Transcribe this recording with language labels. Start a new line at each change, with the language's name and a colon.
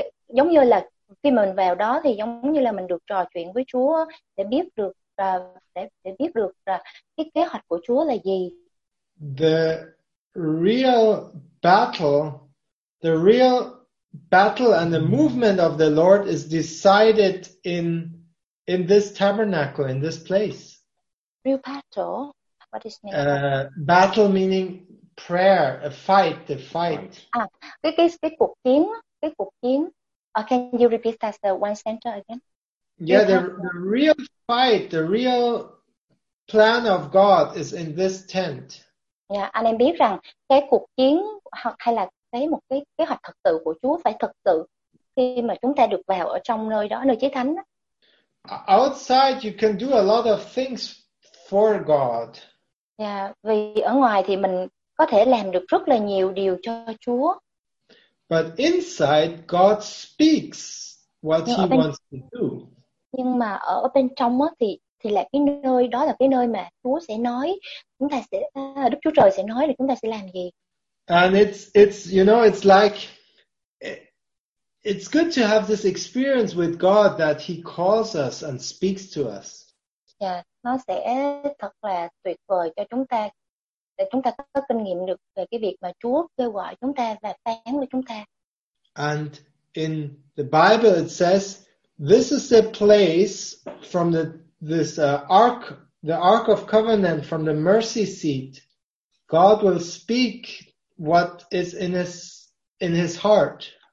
Vietnamese: Giống như là khi mình vào đó thì giống như là mình được trò chuyện với Chúa để biết được cái kế hoạch của Chúa là gì.
English: The real battle and the movement of the Lord is decided in this tabernacle, in this place. Real battle. What is meaning? Battle meaning prayer, a fight, the fight.
Vietnamese: Cái cuộc chiến.
English: Can you repeat that one sentence again? Yeah, the real fight, the real plan of God is in this tent.
Vietnamese: Yeah, anh em biết rằng cái cuộc chiến hay là cái một cái kế hoạch thật sự của Chúa phải thật sự khi mà chúng ta được vào ở trong nơi đó, nơi chí thánh.
English: Outside you can do a lot of things for God.
Vietnamese: Yeah, vì ở ngoài thì mình có thể làm được rất là nhiều điều cho Chúa.
English: But inside God speaks what he wants to do.
Vietnamese: Nhưng mà ở bên trong á thì là cái nơi đó là cái nơi mà Chúa sẽ nói, chúng ta sẽ Đức Chúa Trời sẽ nói là chúng ta sẽ làm gì.
English: And it's you know, it's like it's good to have this experience with God that he calls us and speaks to us.
Vietnamese: Yeah, nó sẽ thật là tuyệt vời cho chúng ta để chúng ta có kinh nghiệm được về cái việc mà Chúa kêu gọi chúng ta và phán với chúng ta.
English: And in the Bible it says this is the place from the ark of covenant from the mercy seat. God will speak what is in his heart.